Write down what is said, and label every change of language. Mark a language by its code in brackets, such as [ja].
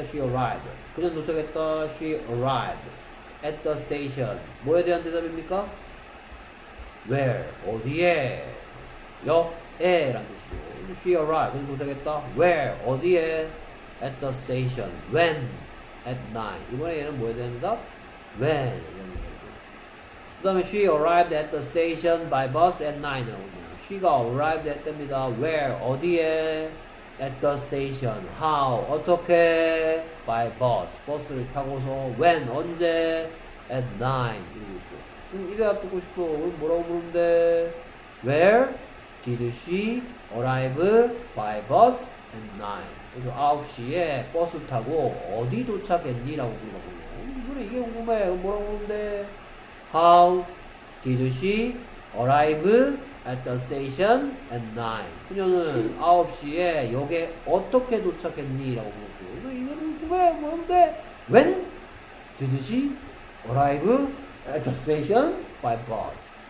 [en] She arrived. [ko] 그녀 도착했다. [en] She arrived at the station. [ko] 뭐에 대한 대답입니까? Where. 어디에. 여에. 라는 뜻이죠. [en] She arrived. [ko] 그녀 도착했다. Where. 어디에. [en] At the station. When. At night. [ko] 이번에 얘는 뭐에 대한 대답? [en] When. [ko] 그다음에 [en] she arrived at the station by bus at 9. She가 arrived at 때입니다. Where. [ko] 어디에. [en] At the station. How. [ko] 어떻게. [en] By bus. [ko] 버스를 타고서. [en] When. [ko] 언제. [en] At 9. [ko] 이렇게. 그럼 이 대답 듣고 싶어. 그럼 뭐라고 부르는데. [en] Where did she arrive by bus at 9. [ko] 그래서 9시에 버스 타고 어디 도착했니? 라고 물어봐요. 그래 이게 궁금해. 그럼 뭐라고 부르는데. [en] How did she arrive at the station at 9. [ko] 그녀는 9시에 역에 어떻게 도착했니? 라고 물었죠. 이거는 왜 뭔데? [en] When did she arrive at the station by bus?